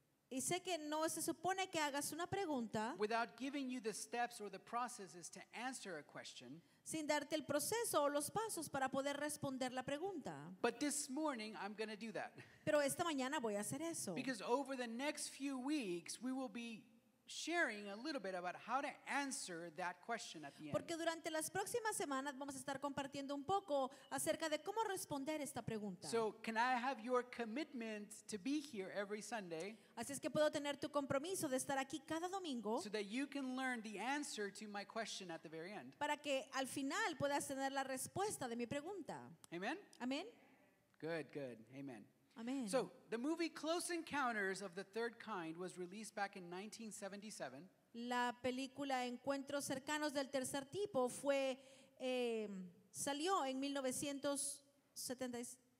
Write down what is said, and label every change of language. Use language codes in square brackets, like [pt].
[es] Y sé que no se supone que hagas una pregunta [en] without giving you the steps or the processes to answer a question. [es] Sin darte el proceso o los pasos para poder responder la pregunta. [en] But this morning I'm going to do that. [es] Pero esta mañana voy a hacer eso. [en] Because over the next few weeks we will be sharing a little bit about how to answer that question at the end. [es] Porque durante las próximas semanas vamos a estar compartiendo un poco acerca de cómo responder esta pregunta. [en] So can I have your commitment to be here every Sunday? [es] Así es que puedo tener tu compromiso de estar aquí cada domingo. [en] So that you can learn the answer to my question at the very end. [es] Para que al final puedas tener la respuesta de mi pregunta. Amen. Amen. [en] Good, good. Amen. Amen. So, the movie Close Encounters of the Third Kind was released back in 1977. [es] La película Encuentros Cercanos del Tercer Tipo fue salió en 1977.